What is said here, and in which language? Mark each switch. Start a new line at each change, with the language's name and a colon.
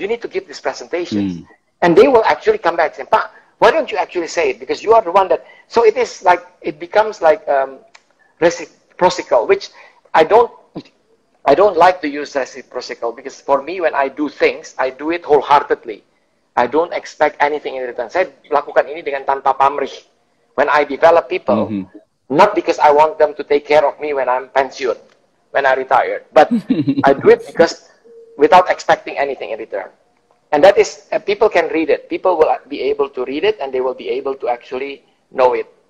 English: You need to give these presentations. And they will actually come back and say, why don't you actually say it? Because you are the one that... So it is like, it becomes like reciprocal, which I don't like to use reciprocal, because for me, when I do things, I do it wholeheartedly. I don't expect anything in return.
Indonesian: Saya lakukan ini dengan tanpa pamrih.
English: When I develop people, not because I want them to take care of me when I'm pensioned, when I retire, but I do it because without expecting anything in return. And that is, people can read it. People will be able to read it, and they will be able to actually know it.